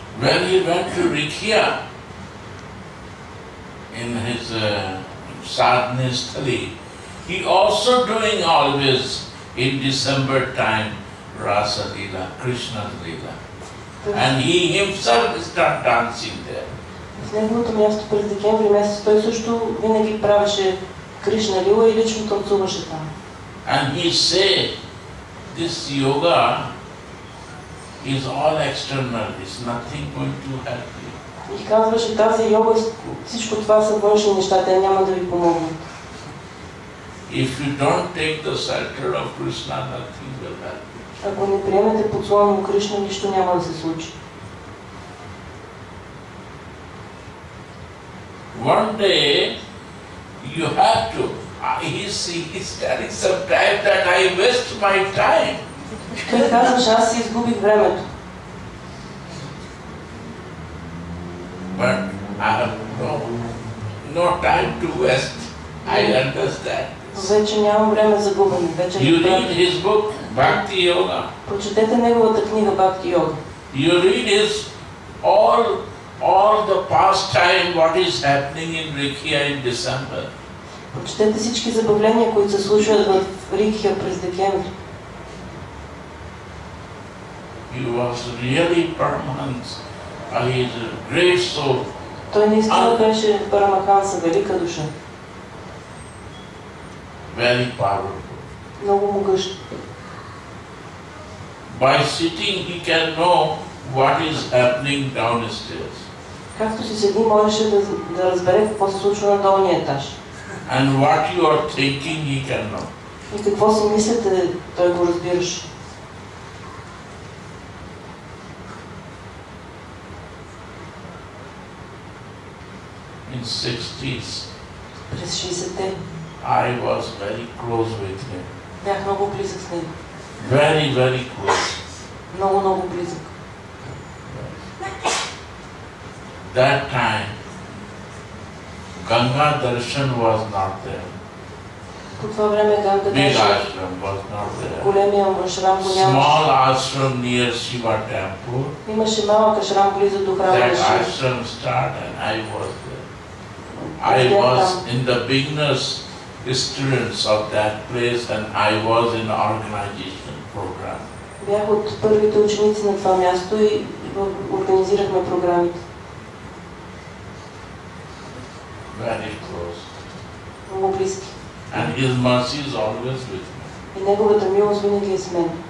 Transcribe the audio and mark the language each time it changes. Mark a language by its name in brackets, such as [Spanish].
[English] When he went to Rikhya, in his sadhanasthali, he also doing always in December time Rasa Lila, Krishna Lila. And he himself start dancing there. [Bulgarian] В неговото място през декември месец той също винаги правеше Кришна Лила и лично танцуваше там. [English] And he say, this yoga is all external, it's nothing going to help you. [Bulgarian] И казваше, тази йога, всичко това са външни неща, те няма да ви помогнат. [English] If you don't take the shelter of Krishna, nothing will help you. [Bulgarian] Ако не приемете поцелуя на Кришна, нищо няма да се случи. [English] One day you have to. He's telling sometimes that I waste my time. [Bulgarian] Той казва, че аз си изгубих времето. [English] But I have no time to waste. I understand. [Bulgarian] Вече нямам време за губене. [English] You read his book, Bhakti Yoga. [Bulgarian] Прочетете неговата книга Bhakti Yoga. [English] You read his all the past time what is happening in Rikhya in December. [Bulgarian] Прочетете всички забавления, които се случват в Рикхия през декември. [English] He was really Paramahans. He is a great soul. [Bulgarian] Той наистина беше Парамаханса, велика душа. [English] Very powerful. [Bulgarian] Много могъщ. [English] By sitting he can know what is happening downstairs. [Bulgarian] Както си седи, можеше да разбере какво се случва на долния етаж. [English] And what you are thinking, he can know. [Bulgarian] И какво си мислите, той го разбираше. [English] In 60s. [Bulgarian] През 60-те. [English] I was very close with him. [Bulgarian] Бях много близък с него. [English] Very, very close. [Bulgarian] Много, много близък. [English] That time Ganga Darshan was not there. [Bulgarian] По това време Ганга [English] Даршан was not there. [Bulgarian] Големия ашрам го нямаше. [English] Small ashram near Shiva temple. [Bulgarian] Имаше малък ашрам близо до храма. [English] That ashram started and I was there. I was in the beginners students of that place and I was in organization program. [Bulgarian] Бях от първите ученици на това място и организирахме програмите. [English] Very close. [Bulgarian] Много близки. [English] And his mercy is always with me. [Bulgarian] И неговата милост винаги е с мен.